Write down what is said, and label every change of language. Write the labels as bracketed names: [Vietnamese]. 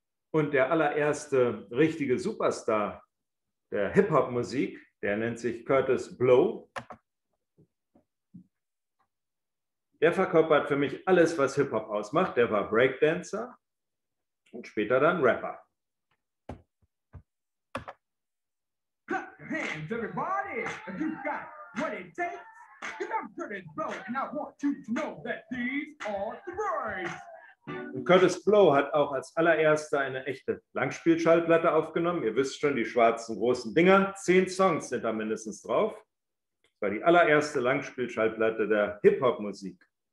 [German] Und der allererste richtige Superstar der Hip-Hop-Musik, der nennt sich Curtis Blow, der verkörpert für mich alles, was Hip-Hop ausmacht. Der war Breakdancer und später dann Rapper. [English] Everybody, if you got what it takes, because I'm Curtis Blow, and I want you to know that these are the words. [German] Und Curtis Blow hat auch als allererster eine echte Langspielschallplatte aufgenommen. Ihr wisst schon, die schwarzen großen Dinger. 10 Songs sind da mindestens drauf. Das war die allererste Langspielschallplatte der Hip-Hop-Musik.